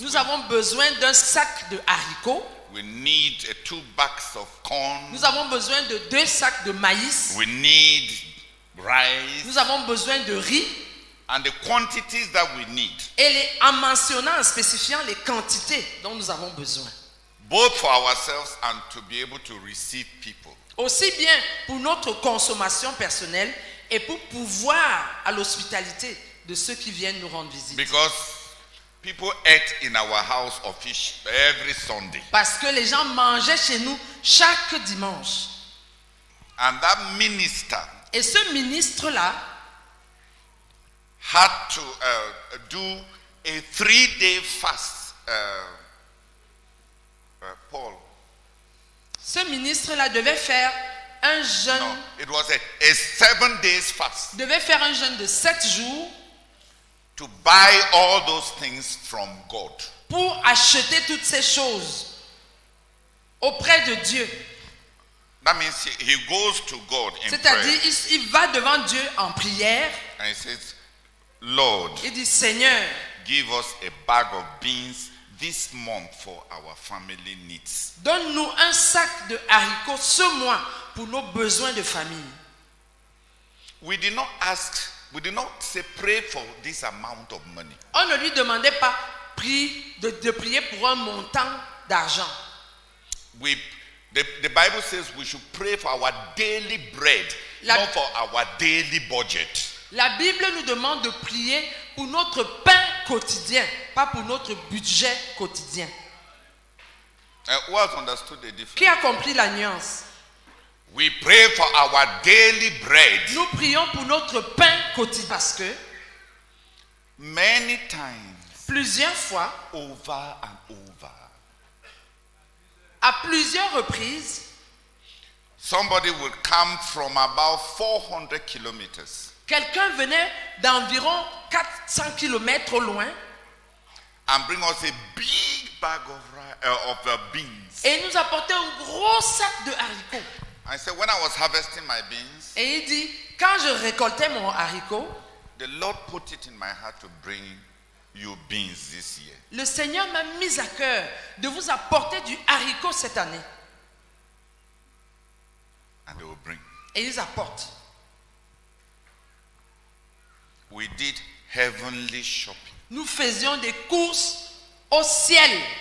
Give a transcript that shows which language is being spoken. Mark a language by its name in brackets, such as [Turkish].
[French] Nous avons besoin d'un sac de haricots. [English] We need two bags of corn. [French] Nous avons besoin de deux sacs de maïs. [English] We need rice. [French] Nous avons besoin de riz. [English] And the quantities that we need. [French] Et en mentionnant, en spécifiant les quantités dont nous avons besoin. [English] Both for ourselves and to be able to receive people. [French] Aussi bien pour notre consommation personnelle et pour pouvoir à l'hospitalité de ceux qui viennent nous rendre visite. [English] Because people ate in our house of fish every Sunday. [French] Parce que les gens mangeaient chez nous chaque dimanche. [English] And that minister. [French] Et ce ministre là [English] had to do a 3-day fast. Paul. [French] Ce ministre là devait faire un jeûne. [English] No, it was a 7-day fast. [French] Devait faire un jeûne de 7 jours. [English] To buy all those things from God. [French] Pour acheter toutes ces choses auprès de Dieu. [English] That means he goes to God in prayer. [French] C'est-à-dire il va devant Dieu en prière. [English] And he says, Lord, [French] il dit, Seigneur, [English] give us a bag of beans this month for our family needs. [French] Donne-nous un sac de haricots ce mois pour nos besoins de famille. [English] We did not say pray for this amount of money. [French] On ne lui demandait pas de prier pour un montant d'argent. [English] The Bible says we should pray for our daily bread, not for our daily budget. [French] La Bible nous demande de prier pour notre pain quotidien, pas pour notre budget quotidien. [English] Who has understood the difference? [French] Qui a compris la nuance? [English] We pray for our daily bread. [French] Nous prions pour notre pain quotidien parce que [English] many times, [French] plusieurs fois, [English] over and over, [French] à plusieurs reprises, [English] somebody would come from about 400 kilometers. [French] Quelqu'un venait d'environ 400 kilomètres au loin [English] and bring us a big bag of beans. [French] Et nous apportait un gros sac de haricots. [English] I said, when I was harvesting my beans, [French] et il dit, quand je récoltais mon haricot, [English] the Lord put it in my heart to bring you beans this year. [French] Le Seigneur m'a mis à cœur de vous apporter du haricot cette année. [English] And they will bring. [French] Et ils apportent. [English] We did heavenly shopping. [French] Nous faisions des courses au ciel.